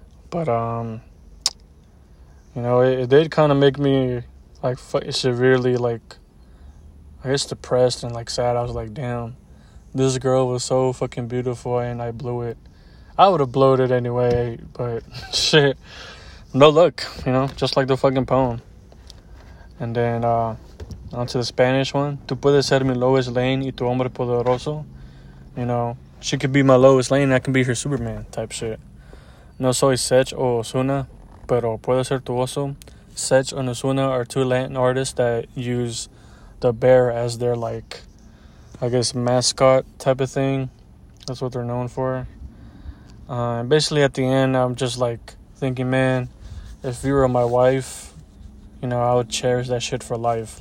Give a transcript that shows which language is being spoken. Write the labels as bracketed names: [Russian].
[English] But you know, it did kind of make me like severely, like, I guess, depressed and like sad. I was like, damn, this girl was so fucking beautiful, and I blew it. I would have blown it anyway, but shit. No luck, you know, just like the fucking poem. And then, on to the Spanish one. [Spanish] Tú puedes ser mi Lois Lane y tu hombre poderoso. [English] You know, she could be my Lois Lane, I can be her Superman type shit. [Spanish] No soy Sech o Ozuna, pero puedo ser tu oso. [English] Sech and Ozuna are two Latin artists that use the bear as their, like, I guess, mascot type of thing. That's what they're known for. Basically, at the end, I'm just, like, thinking, man, if you were my wife, you know, I would cherish that shit for life.